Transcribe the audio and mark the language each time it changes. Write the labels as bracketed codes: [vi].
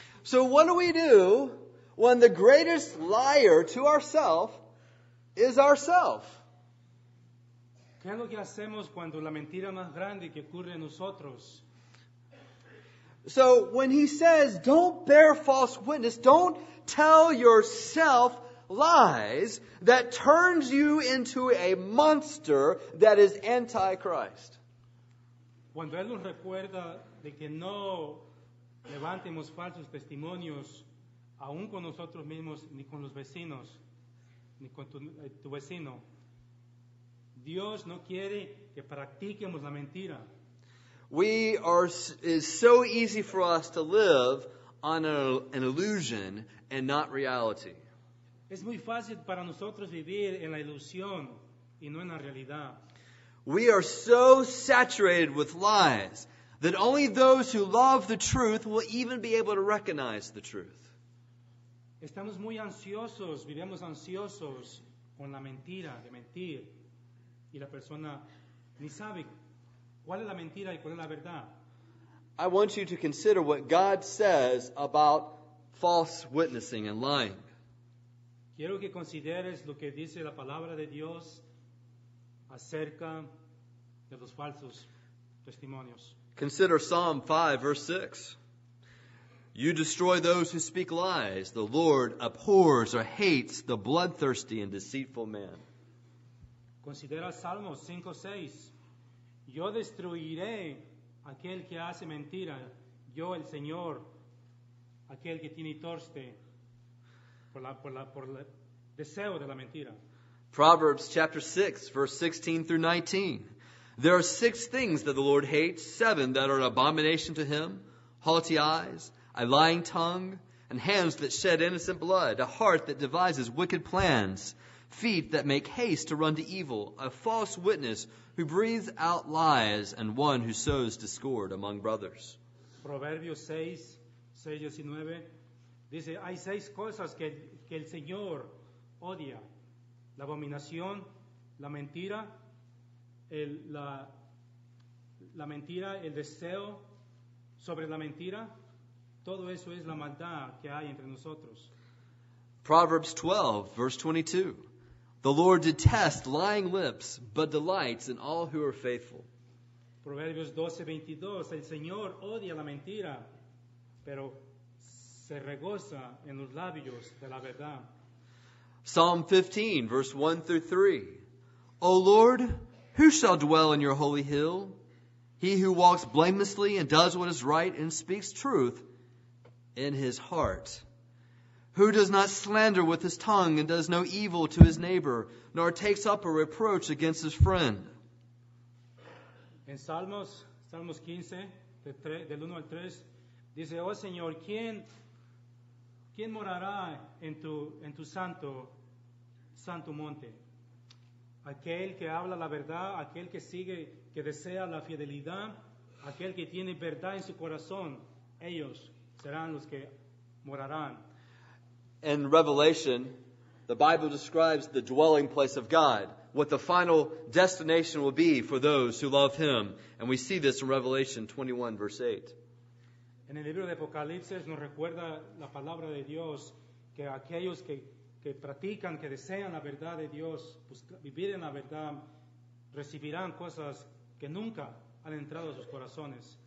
[en] So what do we do when the greatest liar to ourself is ourself? [es] ¿Qué es lo que hacemos cuando la mentira más grande que ocurre en nosotros? [en] So when he says, don't bear false witness, don't tell yourself lies, that turns you into a monster that is antichrist. [es] Cuando él nos recuerda de que no levantemos falsos testimonios, aun con nosotros mismos, ni con los vecinos, ni con tu vecino, Dios no quiere que practiquemos la mentira. [en] It's so easy for us to live on an illusion and not reality. [es] Es muy fácil para nosotros vivir en la ilusión y no en la realidad. [en] We are so saturated with lies that only those who love the truth will even be able to recognize the truth. [es] Estamos muy ansiosos, vivimos ansiosos con la mentira, de mentir. Y la persona ni sabe cuál es la mentira y cuál es la verdad. [en] I want you to consider what God says about false witnessing and lying. [es] Quiero que consideres lo que dice la palabra de Dios acerca de los falsos testimonios. [en] Consider Psalm 5, verse 6. You destroy those who speak lies. The Lord abhors or hates the bloodthirsty and deceitful man. [es] Considera Salmo 5, 6. Yo destruiré aquel que hace mentira. Yo, el Señor, aquel que tiene thirste por la deseo de la mentira. [en] Proverbs chapter 6, verse 16 through 19. There are six things that the Lord hates, seven that are an abomination to him: haughty eyes, a lying tongue, and hands that shed innocent blood, a heart that devises wicked plans, feet that make haste to run to evil, a false witness who breathes out lies, and one who sows discord among brothers. [es] Proverbios 6:19 dice, hay seis cosas que el Señor odia: la abominación, la mentira, el deseo sobre la mentira. Todo eso es la maldad que hay entre nosotros. [en] Proverbs 12, verse 22. The Lord detests lying lips, but delights in all who are faithful. [es] Proverbios 12, 22. El Señor odia la mentira, pero se regoza en los labios de la verdad. [en] Psalm 15, verse 1 through 3. O Lord, who shall dwell in your holy hill? He who walks blamelessly and does what is right and speaks truth in his heart. Who does not slander with his tongue and does no evil to his neighbor, nor takes up a reproach against his friend. [es] En Salmos 15, del 1 al 3, dice, oh Señor, ¿quién morará en tu santo monte? Aquel que habla la verdad, aquel que sigue, que desea la fidelidad, aquel que tiene verdad en su corazón, ellos serán los que morarán. [en] In Revelation, the Bible describes the dwelling place of God, what the final destination will be for those who love Him. And we see this in Revelation 21, verse 8. [es] En el libro de Apocalipsis nos recuerda la palabra de Dios, que aquellos que practican, que desean la verdad de Dios, vivir en la verdad, recibirán cosas que nunca han entrado a sus corazones.